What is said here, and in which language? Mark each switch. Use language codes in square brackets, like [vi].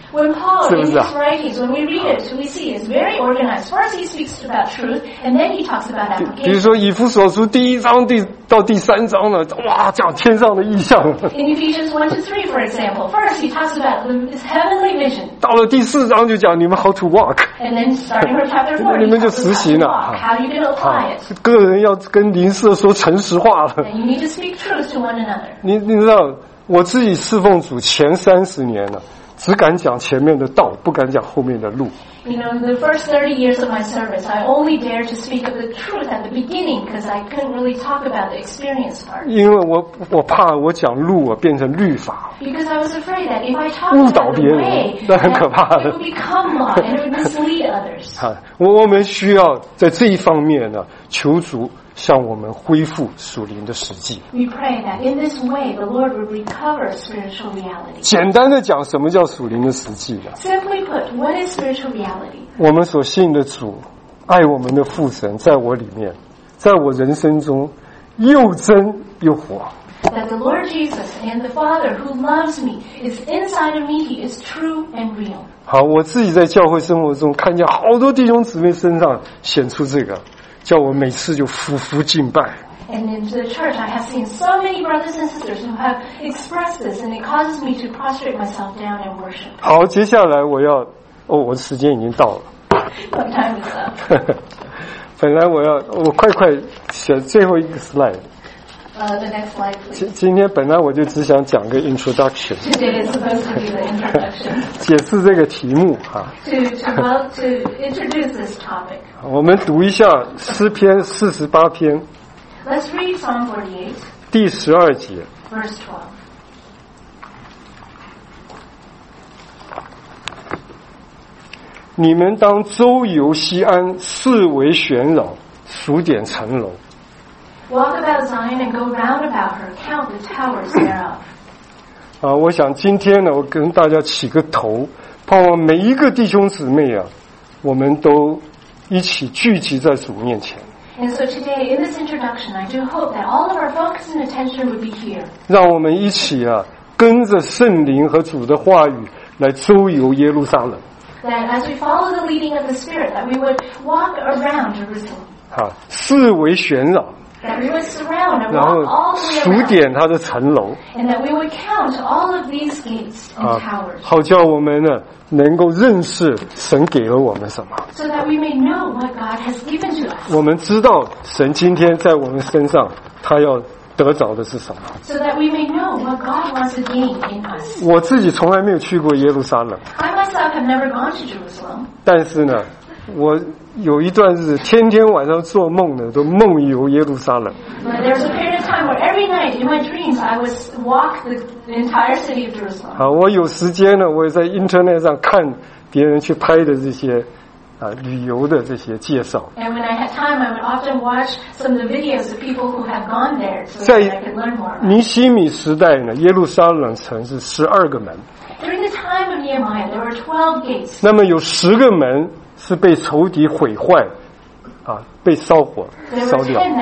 [en] When Paul, [zh] 是不是啊？ [en] In his writings, when we read it, we see it's very organized. First, he speaks about truth, and then he talks about application. [zh] 比如说，以弗所书第一章到第三章呢，哇，讲天上的意象。 [en] In Ephesians 1-3, for example, first he talks about this heavenly vision. [zh] 到了第四章就讲你们 [en] how to walk. And then starting from chapter 4, [zh] 你们就实行了。 [en] How you can apply it? [zh] 个人要跟邻舍说诚实话了。 [en] And you need to speak truth to one another. [zh] 你知道？我自己侍奉主前30年呢，只敢讲前面的道，不敢讲后面的路。 [en] You know, the first 30 years of my service, I only dared to speak of the truth at the beginning because I couldn't really talk about the experience part. [zh] 因为我怕我讲路我变成律法。 [en] Because I was afraid that if I talk about the way, [zh] 那很可怕的。 [en] It would become law and it would mislead others. [zh] 我们需要在这一方面呢，求主向我们恢复属灵的实际。 [en] We pray that in this way the Lord will recover spiritual reality. [zh] 简单的讲，什么叫属灵的实际呢？ [en] Simply put, what is spiritual reality? [zh] 我们所信的主，爱我们的父神，在我里面，在我人生中又真又活。 [en] That the Lord Jesus and the Father who loves me is inside of me, he is true and real. [zh] 好，我自己在教会生活中看见好多弟兄姊妹身上显出这个，叫我每次就俯伏敬拜。 [en] And in the church, I have seen so many brothers and sisters who have expressed this, and it causes me to prostrate myself down and worship. [zh] 好，接下来我要，哦，我的时间已经到了。 [en] My time is up. [zh] 本来我快快写最后一个 slide。 [en] The next slide, please. [zh] 今天本来我就只想讲个 introduction. [en] Today is supposed to be the introduction. [zh] 解释这个题目哈。 [en] To introduce this topic. [zh] 我们读一下诗篇48篇。 [en] Let's read Psalm 48. [zh] 第12节。 [en] Verse 12. [zh] 你们当周游西安，四围旋绕，数点城楼。 [en] Walk about Zion and go round about her. Count the towers thereof. [zh] 啊，我想今天呢，我跟大家起个头，盼望每一个弟兄姊妹啊，我们都一起聚集在主面前。 [en] And so today, in this introduction, I do hope that all of our focus and attention would be here. [zh] 让我们一起啊，跟着圣灵和主的话语来周游耶路撒冷。 [en] That as we follow the leading of the Spirit, that we would walk around Jerusalem. [zh] 啊，四围旋绕。 [en] That we would surround and walk all the way around. [zh] 数点它的城楼。 [en] And that we would count all of these gates and towers. [zh] 好叫我们呢能够认识神给了我们什么。 [en] So that we may know what God has given to us. [zh] 我们知道神今天在我们身上他要得着的是什么。 [en] So that we may know what God wants to gain in us. [zh] 我自己从来没有去过耶路撒冷。 [en] I myself have never gone to Jerusalem. [zh] 但是呢我有一段日子天天晚上做梦呢都梦游耶路撒冷。 [en] There's a period of time where every night in my dreams I was walk the entire city of Jerusalem. [zh] 好，我有时间呢我也在 internet 上看别人去拍的这些旅游的这些介绍。 [en] And when I had time I would often watch some of the videos of people who have gone there so that I could learn more. [zh] 在尼希米时代呢耶路撒冷城是12个门。 [en] During the time of Nehemiah there were 12 gates. [zh] 那么有10个门是被仇敌毁坏啊，被烧火烧掉。